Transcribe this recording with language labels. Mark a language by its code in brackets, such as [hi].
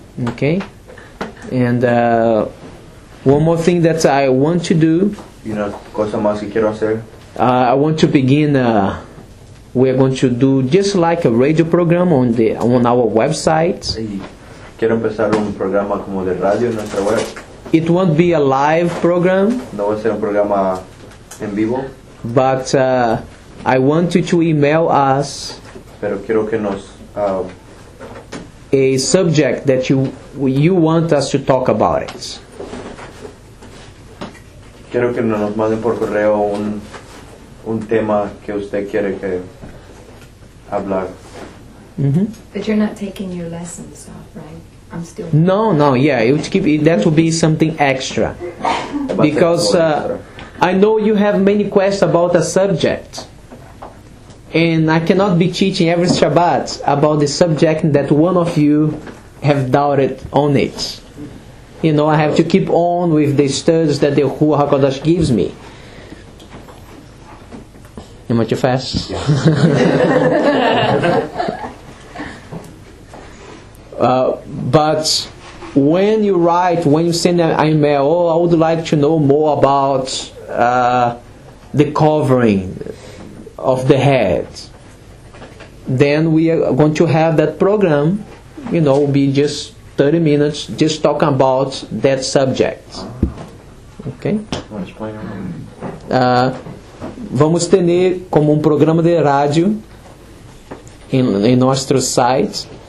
[en] Okay, and one more thing that I want to do. I want to begin. We are going to do just like a radio program on the on our website. [es] Quiero empezar un programa como de radio en nuestra web. [en] It won't be a live program. [es] No va a ser un programa en vivo. [en] But I want you to email us. [es] Pero quiero que nos [en] a subject that you want us to talk about it. [es] Quiero que nos manden por correo un tema que usted quiere que hablar. Mm-hmm. [en] But you're not taking your lessons off, right? I'm still That will be something extra. Because I know you have many questions about a subject. And I cannot be teaching every Shabbat about the subject that one of you have doubted on it. You know, I have to keep on with the studies that the Ruach HaKodesh gives me. Am I too fast? But when you write, when you send an email, oh, I would like to know more about the covering of the head, then we are going to have that program, you know, be just 30 minutes, just talking about that subject. Okay? [pt] Vamos ter como programa de rádio em nosso site.